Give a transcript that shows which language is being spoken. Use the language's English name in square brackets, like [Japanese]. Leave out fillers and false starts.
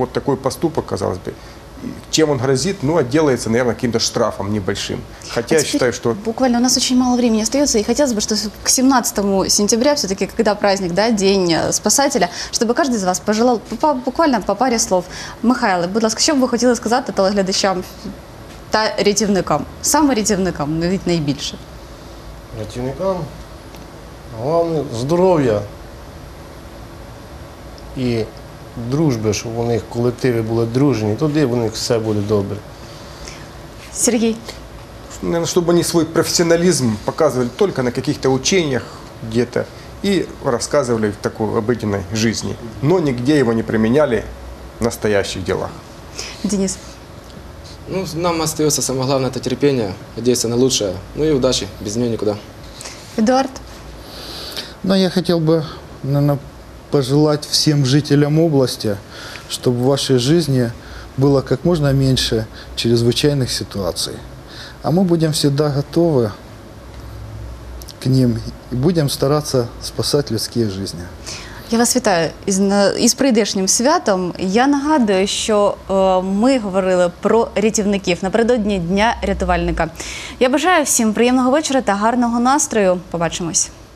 [Russian] Вот такой поступок, казалось бы, чем он грозит, отделается, наверное, каким-то штрафом небольшим. Хотя я считаю, что... Буквально у нас очень мало времени остается, и хотелось бы, что к 17 сентября, все-таки, когда праздник, да, День спасателя, чтобы каждый из вас пожелал буквально по паре слов. Михайло, [Ukrainian] будь ласка, [Russian] что бы вы хотели сказать это [Ukrainian] глядачам та рятівникам? Саме рятівникам, навіть найбільше. Рятівникам? Главное – здоров'я і дружби, щоб у них колективи були дружні, тоді у них все буде добре. Сергій? Наверное, щоб вони свій професіоналізм показували тільки на якихось учениях где-то і розказували в такій обыденной житті, але нігде його не приміняли в настоящих ділах. Денис? Нам остається саме головне – це терпіння, надіюся на лучшее, і удачі, без нього нікуди. [Russian] Эдуард? Я хотел бы, наверное, пожелать всем жителям области, чтобы в вашей жизни было как можно меньше чрезвычайных ситуаций. А мы будем всегда готовы к ним и будем стараться спасать людские жизни. [Ukrainian] Я вас вітаю із прийдешнім святом. Я нагадую, що ми говорили про рятівників напередодні Дня рятувальника. Я бажаю всім приємного вечора та гарного настрою. Побачимось.